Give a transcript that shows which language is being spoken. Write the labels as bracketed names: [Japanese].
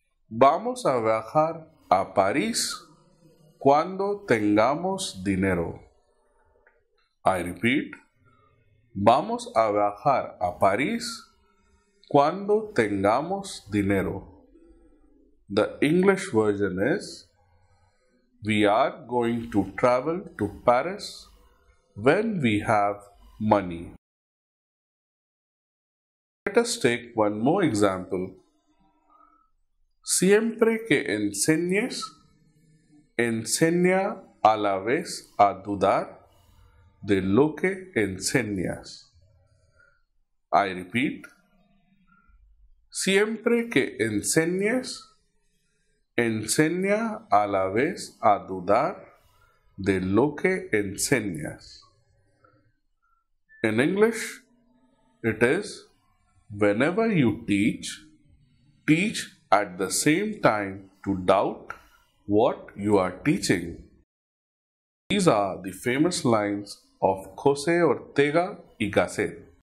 [Spanish] Vamos a viajar a París cuando tengamos dinero. [English] I repeat, [Spanish] vamos a viajar a París cuando tengamos dinero. [English] The English version is, we are going to travel to Paris when we have money. Let us take one more example. [Spanish] Siempre que enseñes, enseña a la vez a dudar de lo que enseñas. [English] I repeat, [Spanish] siempre que enseñes, enseña a la vez a dudar de lo que enseñas. [English] In English, it is, whenever you teach, teach at the same time to doubt what you are teaching. These are the famous lines of José Ortega y Gasset.